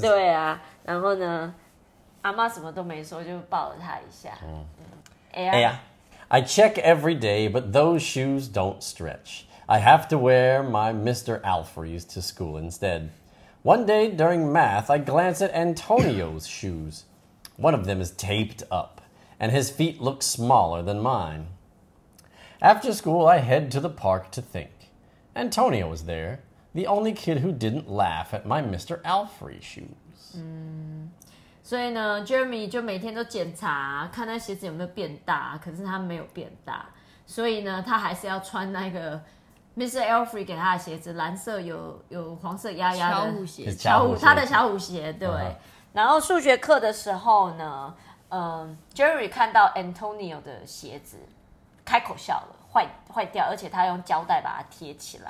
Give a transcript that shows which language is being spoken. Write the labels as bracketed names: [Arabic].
[Chinese] 对啊，然后呢，阿妈什么都没说，就抱了他一下。嗯。 [English] Yeah. Yeah. I check every day, but those shoes don't stretch. I have to wear my Mr. Alfrey's to school instead. One day during math, I glance at Antonio's shoes. One of them is taped up, and his feet look smaller than mine. After school, I head to the park to think. Antonio was there, the only kid who didn't laugh at my Mr. Alfrey shoes. [Chinese] 所以呢 ，Jeremy 就每天都检查，看他鞋子有没有变大，可是他没有变大，所以呢，他还是要穿那个 Mr. Alfrey 给他的鞋子，蓝色有黄色压压的巧虎鞋，他的巧虎鞋，对。Uh-huh. 然后数学课的时候呢，Jeremy 看到 Antonio 的鞋子，开口笑了，坏掉，而且他用胶带把它贴起来。